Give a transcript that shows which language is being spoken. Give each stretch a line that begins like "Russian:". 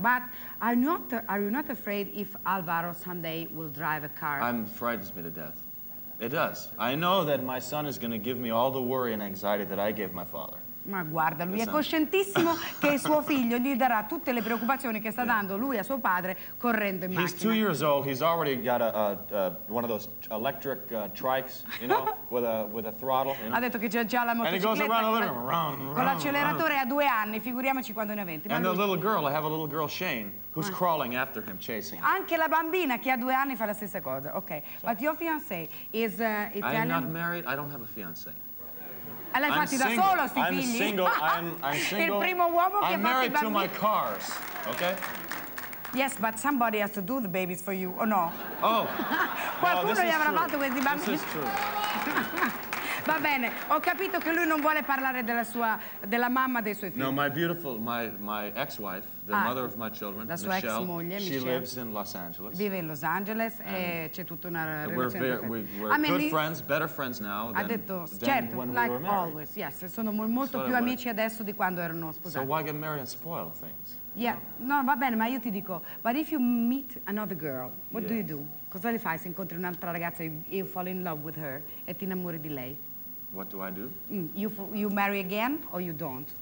English: But are you not afraid if Alvaro someday will drive a car? It frightens me to death. It does. I know that my son is going to give me all the worry and anxiety that I gave my father.
Italian: Ma guarda, lui è coscientissimo che suo figlio gli darà tutte le preoccupazioni che sta dando lui a suo padre correndo in macchina.
English: He's 2 years old, he's already got one of those electric trikes, you know, with a throttle. You know?
Italian: Ha detto che c'è già la motocicletta.
English: And he goes around a little, run,
Italian: con l'acceleratore a 2 anni, figuriamoci quando ne ha 20.
English: And the little girl, I have a little girl, Shane, who's crawling after him, chasing him.
Italian: Anche la bambina che ha 2 anni fa la stessa cosa, ok.
English: So, but your fiancé is Italian? I am not married, I don't have a fiancé.
Italian: L'hai fatti da solo sti figli?
English: I'm single. I'm single.
Italian: Il primo uomo che
English: I'm married to my cars, okay? Yes, but somebody has to do the babies for you, or no? Oh,
Italian: qualcuno gli avrà fatto questi bambini.
English: This is true.
Italian: Va bene, ho capito che lui non vuole parlare della sua, della mamma dei suoi figli.
English: No, my beautiful, my ex-wife, the mother of my children,
Italian: la sua Michelle, ex moglie,
English: she lives in Los Angeles.
Italian: Vive in Los Angeles e c'è tutta una relazione.
English: We're good friends, better friends now than when we were married.
Italian: Yes, sono molto più amici adesso di quando erano sposati.
English: So why get married and spoil things? Yeah,
Italian: no, va bene, ma io ti dico,
English: but if you meet another girl, what do you do?
Italian: Cosa le fai se incontri un'altra ragazza e
English: you fall in love with her
Italian: e ti innamori di lei?
English: What do I do? You marry again or you don't?